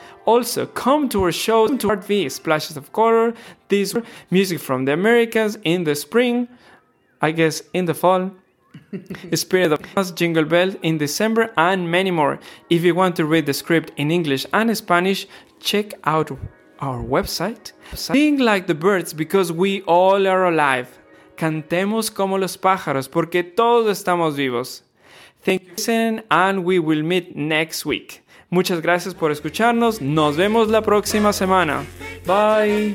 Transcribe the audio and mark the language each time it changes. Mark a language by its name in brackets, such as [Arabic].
[English] Also, come to our show to RV Splashes of Color, this Music from the Americas in the spring, I guess in the fall, Spirit of Christmas, Jingle Bell in December, and many more. If you want to read the script in English and Spanish, check out our website. Sing like the birds because we all are alive. [Spanish] Cantemos como los pájaros porque todos estamos vivos. [English] Thank you for listening and we will meet next week. [Spanish] Muchas gracias por escucharnos. Nos vemos la próxima semana. Bye.